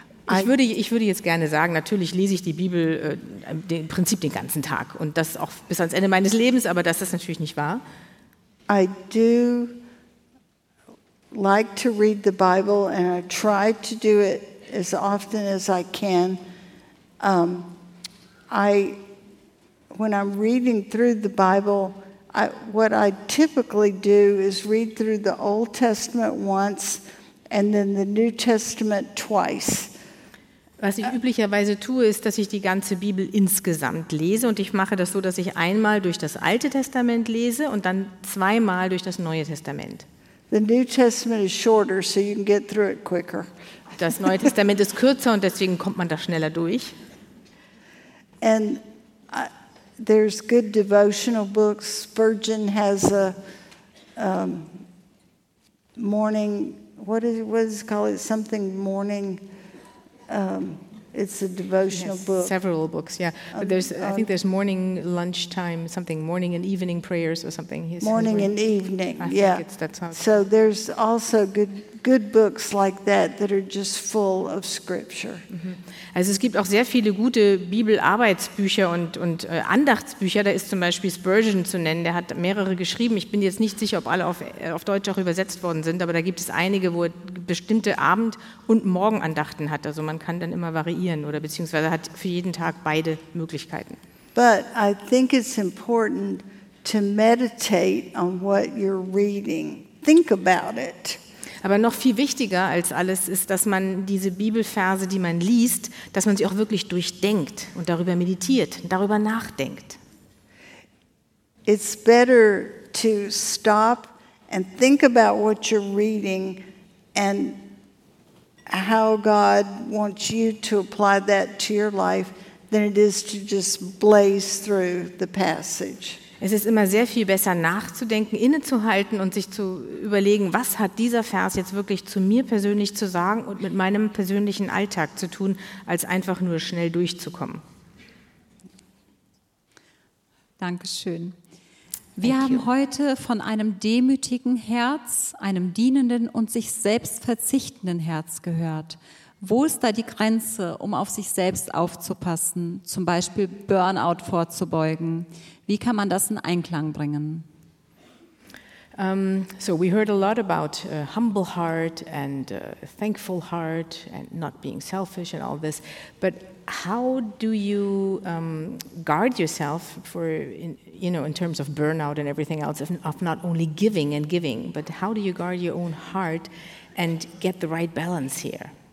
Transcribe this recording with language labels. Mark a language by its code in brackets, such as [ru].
[de] Ich würde jetzt gerne sagen, natürlich lese ich die Bibel im Prinzip den ganzen Tag und das auch bis ans Ende meines Lebens, aber das ist natürlich nicht wahr. [en] I do like to read the Bible, and I try to do it as often as I can. When I'm reading through the Bible, what I typically do is read through the Old Testament once and then the New Testament twice. [de] Was ich üblicherweise tue, ist, dass ich die ganze Bibel insgesamt lese, und ich mache das so, dass ich einmal durch das Alte Testament lese und dann zweimal durch das Neue Testament. [en] The New Testament is shorter, so you can get through it quicker. [de] Das Neue Testament ist kürzer, und deswegen kommt man da schneller durch. [en] And there's good devotional books. Spurgeon has a morning. What is it called? Something morning. It's a devotional book. Several books, yeah. But there's morning, lunchtime, something, morning and evening prayers or something. Morning and evening, I think that's how it's so called. There's also good books like that are just full of scripture. Mm-hmm. [de] Also es gibt auch sehr viele gute Bibelarbeitsbücher und Andachtsbücher. Da ist zum Beispiel Spurgeon zu nennen, der hat mehrere geschrieben. Ich bin jetzt nicht sicher, ob alle auf Deutsch auch übersetzt worden sind, aber da gibt es einige, wo er bestimmte Abend- und Morgenandachten hat. Also man kann dann immer variieren oder beziehungsweise hat für jeden Tag beide Möglichkeiten. [en] But I think it's important to meditate on what you're reading. Think about it. [de] Aber noch viel wichtiger als alles ist, dass man diese Bibelverse, die man liest, dass man sie auch wirklich durchdenkt und darüber meditiert, darüber nachdenkt. [en] It's better to stop and think about what you're reading and how God wants you to apply that to your life than it is to just blaze through the passage. [de] Es ist immer sehr viel besser, nachzudenken, innezuhalten und sich zu überlegen, was hat dieser Vers jetzt wirklich zu mir persönlich zu sagen und mit meinem persönlichen Alltag zu tun, als einfach nur schnell durchzukommen. Dankeschön. Wir haben heute von einem demütigen Herz, einem dienenden und sich selbst verzichtenden Herz gehört. Wo ist da die Grenze, um auf sich selbst aufzupassen, zum Beispiel Burnout vorzubeugen? Wie kann man das in Einklang bringen? [en] So we heard a lot about a humble heart and a thankful heart and not being selfish and all this. But how do you guard yourself for, in terms of burnout and everything else, of not only giving and giving, but how do you guard your own heart and get the right balance here?